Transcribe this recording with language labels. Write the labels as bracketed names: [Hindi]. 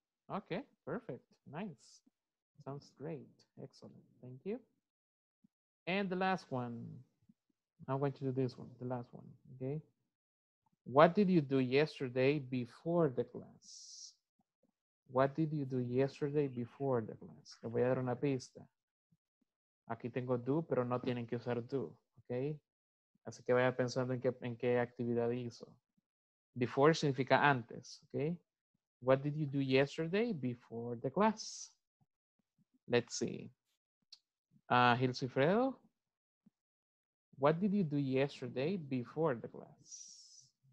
[English] Okay, perfect. Nice. Sounds great. Excellent. Thank you. And the last one. I want you to do this one, the last one. Okay. What did you do yesterday before the class? What did you do yesterday before the class? [Spanish] Le voy a dar una pista. Aquí tengo do, pero no tienen que usar do. Okay. Así que vaya pensando en qué actividad hizo. Before significa antes, okay? [English] What did you do yesterday before the class? Let's see. Gil Cifredo, what did you do yesterday before the class?